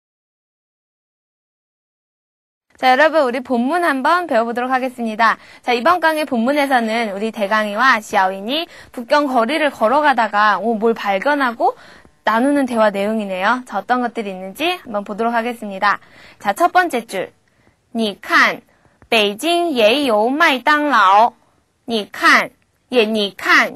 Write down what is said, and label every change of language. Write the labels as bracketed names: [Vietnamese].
[Chinese] 你看，北京也有麦当劳。是啊，还有肯德基、必胜客等快餐店。中国人为什么喜欢洋快餐？因为很快。자 [Korean] 여러분 우리 본문 한번 배워보도록 하겠습니다. 자 이번 강의 본문에서는 우리 대강이와 샤오인이 북경 거리를 걸어가다가 뭘 발견하고 나누는 대화 내용이네요. 자, 어떤 것들이 있는지 한번 보도록 하겠습니다. 자, 첫 번째 줄. [Chinese] 你看,北京也有麦当劳.你看,也你看.